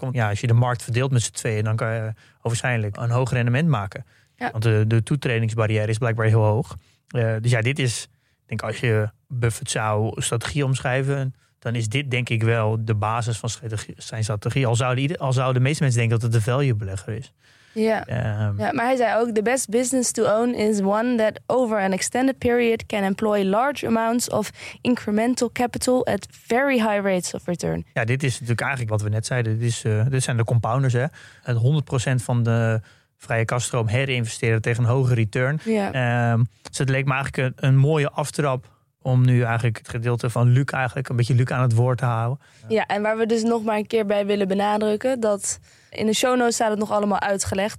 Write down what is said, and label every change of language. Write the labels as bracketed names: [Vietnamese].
[Dutch] Want als je de markt verdeelt met z'n tweeën, dan kan je waarschijnlijk een hoog rendement maken. Ja. Want de toetredingsbarrière is blijkbaar heel hoog. Dit is, ik denk als je Buffett zou strategie omschrijven, dan is dit denk ik wel de basis van zijn strategie. Al zouden de meeste mensen denken dat het de value belegger is. Ja. Maar hij zei ook, [English] the best business to own is one that over an extended period can employ large amounts of incremental capital at very high rates of return. [Dutch] Ja, dit is natuurlijk eigenlijk wat we net zeiden. Dit zijn de compounders, hè. Het 100% van de vrije kaststroom herinvesteren tegen een hoger return. Ja. Dus het leek me eigenlijk een mooie aftrap om nu eigenlijk het gedeelte van Luc eigenlijk een beetje Luc aan het woord te houden. Ja, en waar we dus nog maar een keer bij willen benadrukken, dat in de show notes staat het nog allemaal uitgelegd.